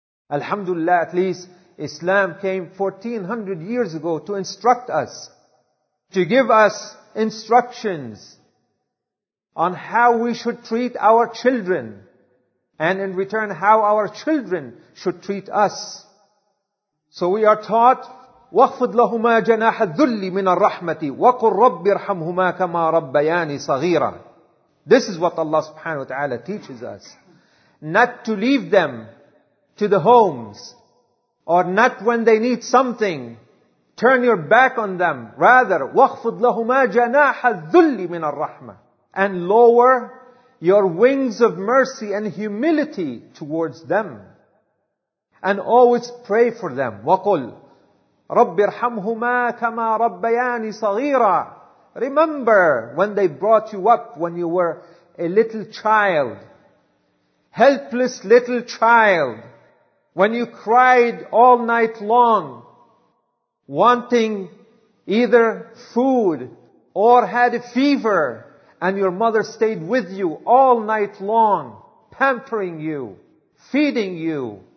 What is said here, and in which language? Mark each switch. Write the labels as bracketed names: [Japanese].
[English] Alhamdulillah, at least Islam came 1400 years ago to instruct us, to give us instructions on how we should treat our children, and in return, how our children should treat us. So we are taught, [Arabic] وَخْفُضْ لَهُمَا جَنَاحَ الذُّلِّ مِنَ الرَّحْمَةِ وَقُلْ رَبِّ ارْحَمْهُمَا كَمَا رَبَّيَانِ صَغِيرًا. [English] This is what Allah subhanahu wa ta'ala teaches us. Not to leave them to the homes, or not when they need something, turn your back on them. Rather, [Arabic] وَخْفُضْ لَهُمَا جَنَاحَ الذُّلِّ مِنَ الرَّحْمَةِ. [English] And lower your wings of mercy and humility towards them. And always pray for them. [Arabic] وَقُلْ رَبِّ ارْحَمْهُمَا كَمَا رَبَّيَانِ صَغِيرًا. [English] Remember when they brought you up when you were a little child, helpless little child, when you cried all night long, wanting either food or had a fever, and your mother stayed with you all night long, pampering you, feeding you.